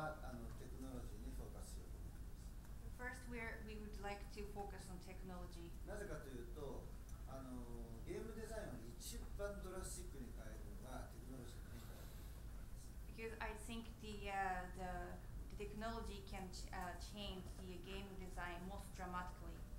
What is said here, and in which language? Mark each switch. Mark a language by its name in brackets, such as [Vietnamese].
[English] First, we would like to focus on technology. [Japanese] なぜかというと、あのゲームデザインを一番ドラスティックに変えるのはテクノロジーの変化だと思います。 [English] Because I think the technology can change the game design most dramatically.